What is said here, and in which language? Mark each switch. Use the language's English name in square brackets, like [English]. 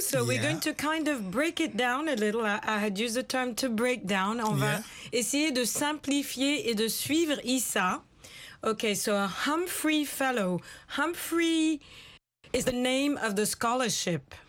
[English] So yeah. We're going to kind of break it down a little. I had used the term to break down. [French] On va essayer de simplifier et de suivre Issa. [English] Okay, so a Humphrey Fellow. Humphrey is the name of the scholarship.